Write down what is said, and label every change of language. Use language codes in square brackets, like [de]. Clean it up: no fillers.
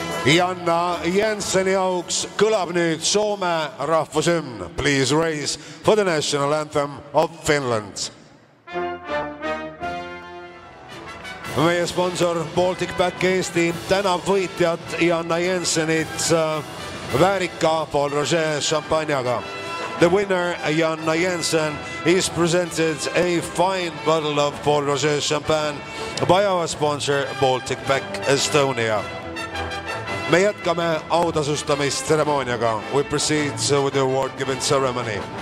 [et] Janna Jenseni auks kõlab nüüd Soome rahvusümn. [en] Please raise for the national anthem of Finland. [et] Meie sponsor Baltic Back Eesti tänab võitjat Janna Jensenit väärika Paul Roger šampanjaga. [en] The winner Janna Jensen is presented a fine bottle of Paul Roger champagne by our sponsor Baltic Back Estonia. [et] Me jätkame autasustamisteremooniaga. [en] We proceed with the award-giving ceremony.